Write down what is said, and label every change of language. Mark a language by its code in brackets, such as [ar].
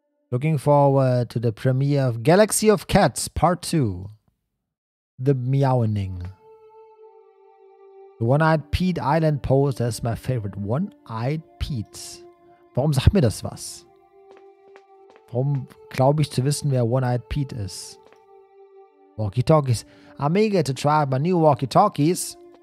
[en] Looking forward to the premiere of Galaxy of Cats Part 2. The Meowing. The One-Eyed Pete Island Poster is my favorite. [de] One-Eyed Pete. Warum sagt mir das was? Warum glaube ich zu wissen, wer One-Eyed Pete ist? [en] Walkie-Talkies. I'm eager to try my new walkie-talkies.